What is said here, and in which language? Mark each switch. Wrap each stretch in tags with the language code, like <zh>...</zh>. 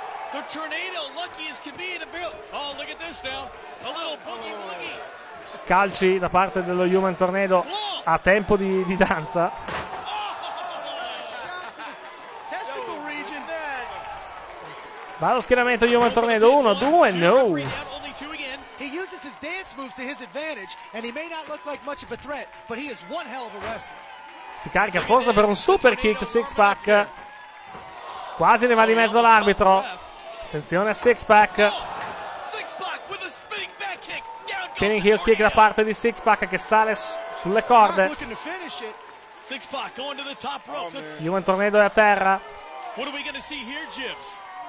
<en>The Tornado, lucky as can be in a barrel. Oh, look at this now. A little boogie woogie.</en> <it>Calci da parte dello Human Tornado a tempo di danza.</it> <en>Testicle region.</en> <it>Va lo schieramento di Human Tornado 1, 2, no.</it> <en>He uses his dance moves to his advantage and he may not look like much of a threat, but he is one hell of a wrestler.</en> <it>Si carica forse per un super kick six pack. Quasi ne va di mezzo l'arbitro. Attenzione a</it> <en>six pack. Six pack with a spinning back kick.</en> <it>Spinning heel kick da parte di six pack che sale sulle corde.</it> <en>Six pack going to the top rope. Human Tornado</en> <it>è a terra.</it> <en>What are we going to see here, Jibs?</en>